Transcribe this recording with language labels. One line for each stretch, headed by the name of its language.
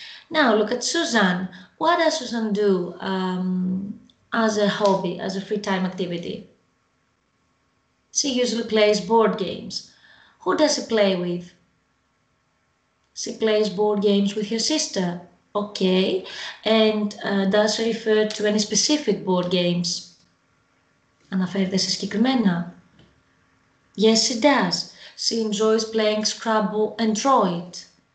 English: Now look at Susan. What does Susan do as a hobby, as a free time activity? She usually plays board games. Who does she play with? She plays board games with her sister. Okay. And does she refer to any specific board games?
Greek: Αναφέρεται σε συγκεκριμένα.
English: Yes, she does. She enjoys playing Scrabble and draw it.